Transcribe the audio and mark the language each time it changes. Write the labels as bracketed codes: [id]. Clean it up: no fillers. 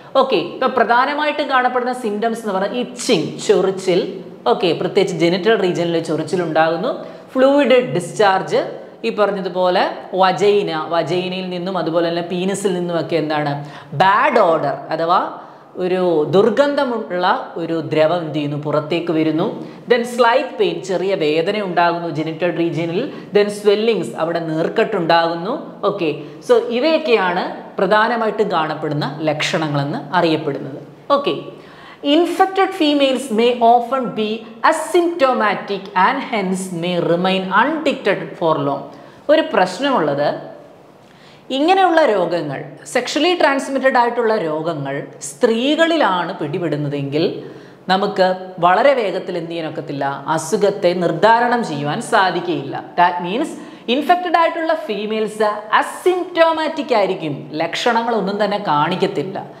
[ml] Okay, ഇപ്പം പ്രധാനമായിട്ടും കാണപ്പെടുന്ന സിംറ്റംസ് എന്ന് പറഞ്ഞാൽ ഇച്ചിങ്, ചൊറിച്ചിൽ, ഓക്കെ, പ്രത്യേകിച്ച് ജെനിറ്റൽ റീജിയനിൽ ചൊറിച്ചിലുണ്ടാകുന്നു, ഫ്ലൂയിഡ് ഡിസ്ചാർജ്, ഈ പറഞ്ഞതുപോലെ വജൈന, വജൈനയിൽ നിന്നും അതുപോലെ തന്നെ പീനസിൽ നിന്നുമൊക്കെ എന്താണ്, ബാഡ് ഓഡർ അഥവാ ഒരു ദുർഗന്ധമുള്ള ഒരു ദ്രവം എന്ത് ചെയ്യുന്നു, പുറത്തേക്ക് വരുന്നു. [en] then slight pain, [ml] ചെറിയ വേദന ഉണ്ടാകുന്നു ജെനിറ്റൽ റീജിയനിൽ. ദെൻ സ്വെല്ലിങ്സ്, അവിടെ നീർക്കെട്ടുണ്ടാകുന്നു. ഓക്കെ, സോ ഇവയൊക്കെയാണ് പ്രധാനമായിട്ടും കാണപ്പെടുന്ന ലക്ഷണങ്ങളെന്ന് അറിയപ്പെടുന്നത്. [en] Okay, Infected females may often be asymptomatic and hence may remain undetected for long. [ml] ഒരു പ്രശ്നമുള്ളത്, ഇങ്ങനെയുള്ള രോഗങ്ങൾ, സെക്ഷലി ട്രാൻസ്മിറ്റഡ് ആയിട്ടുള്ള രോഗങ്ങൾ സ്ത്രീകളിലാണ് പിടിപെടുന്നതെങ്കിൽ നമുക്ക് വളരെ വേഗത്തിൽ എന്ത് ചെയ്യാൻ ഒക്കത്തില്ല, അസുഖത്തെ നിർദ്ധാരണം ചെയ്യുവാൻ സാധിക്കുകയില്ല. ദാറ്റ് മീൻസ് ഇൻഫെക്റ്റഡ് ആയിട്ടുള്ള ഫീമെയിൽസ് അസിംപ്റ്റോമാറ്റിക് ആയിരിക്കും, ലക്ഷണങ്ങളൊന്നും തന്നെ കാണിക്കത്തില്ല.